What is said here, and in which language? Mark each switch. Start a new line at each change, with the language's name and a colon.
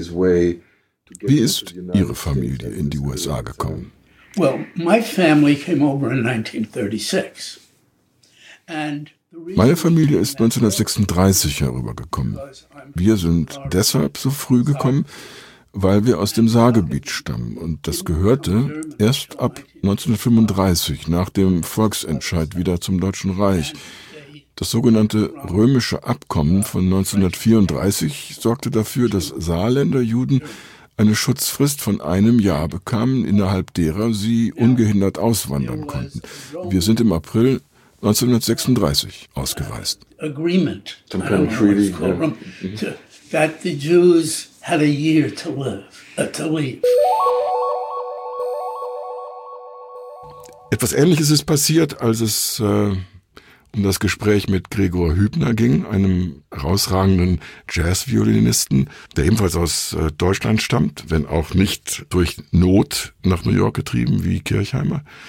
German: Wie ist Ihre Familie in die USA gekommen?
English: Well, my family came over in 1936.
German: Meine Familie ist 1936 herübergekommen. Wir sind deshalb so früh gekommen, weil wir aus dem Saargebiet stammen. Und das gehörte erst ab 1935, nach dem Volksentscheid, wieder zum Deutschen Reich. Das sogenannte Römische Abkommen von 1934 sorgte dafür, dass Saarländer Juden eine Schutzfrist von einem Jahr bekamen, innerhalb derer sie ungehindert auswandern konnten. Wir sind im April 1936 ausgereist.
English: Agreement. Some kind of treaty. That the Jews had a year to live, to leave.
German: Etwas Ähnliches ist passiert, als es um das Gespräch mit Gregor Hübner ging, einem herausragenden Jazzviolinisten, der ebenfalls aus Deutschland stammt, wenn auch nicht durch Not nach New York getrieben wie Kirchheimer.